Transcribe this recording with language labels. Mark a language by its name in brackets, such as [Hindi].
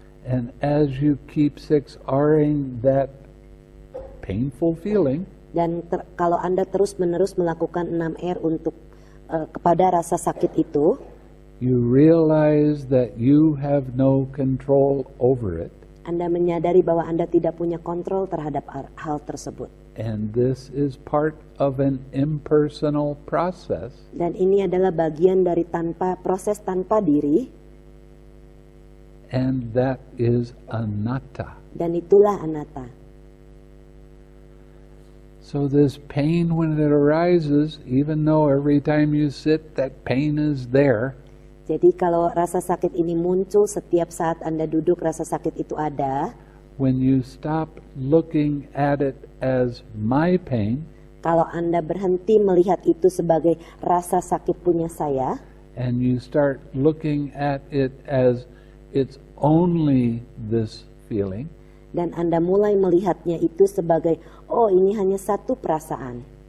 [English] And as you keep 6R-ing that painful feeling. [Indonesian] Dan kalau Anda terus-menerus melakukan 6R untuk kepada rasa sakit itu. [English] You realize that you have no control over it. [Indonesian] Anda menyadari bahwa Anda tidak punya kontrol terhadap hal tersebut. [English] And this is part of an impersonal process. [Indonesian] Dan ini adalah bagian dari tanpa proses tanpa diri. [English] And that is anatta. [Indonesian] Dan itulah anatta. [English] So this pain when it arises, even though every time you sit that pain is there. [Indonesian] Jadi kalau rasa sakit ini muncul setiap saat Anda duduk, rasa sakit itu ada. [English] When you stop looking at it as my pain, [Indonesian] kalau Anda berhenti melihat itu sebagai rasa sakit punya saya, [English] and you start looking at it as it's only this feeling, [Indonesian] dan Anda mulai melihatnya itu sebagai oh ini hanya satu perasaan,